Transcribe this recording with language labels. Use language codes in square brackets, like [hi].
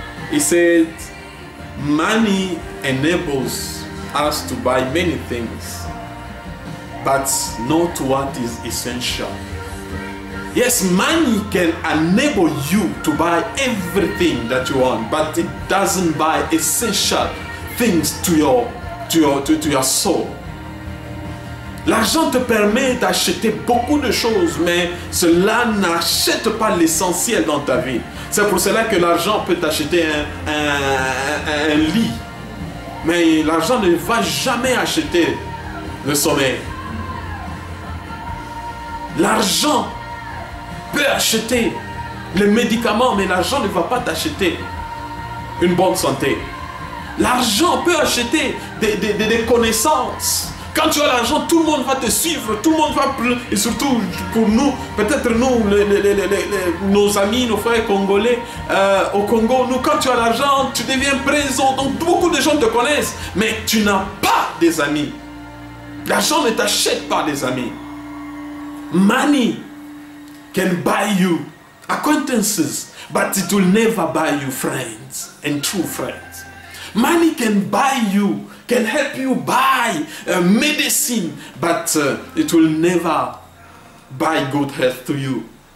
[en] He said money enables us to buy many things, but not what is essential. Yes, money can enable you to buy everything that you want, but it doesn't buy essential things to your soul. [fr] L'argent te permet d'acheter beaucoup de choses, mais cela n'achète pas l'essentiel dans ta vie. C'est pour cela que l'argent peut t'acheter un lit. Mais l'argent ne va jamais acheter le sommeil. L'argent peut acheter les médicaments, mais l'argent ne va pas t'acheter une bonne santé. L'argent peut acheter des connaissances, Quand tu as l'argent, tout le monde va te suivre, tout le monde va pleurer. Et surtout pour nous, peut-être nous, nos amis, nos frères congolais au Congo, nous, quand tu as l'argent, tu deviens présent. Donc beaucoup de gens te connaissent, mais tu n'as pas des amis. L'argent ne t'achète pas des amis. [en] Money can buy you acquaintances, but it will never buy you friends and true friends. Money can buy you, can help you buy medicine, but it will never buy good health to you.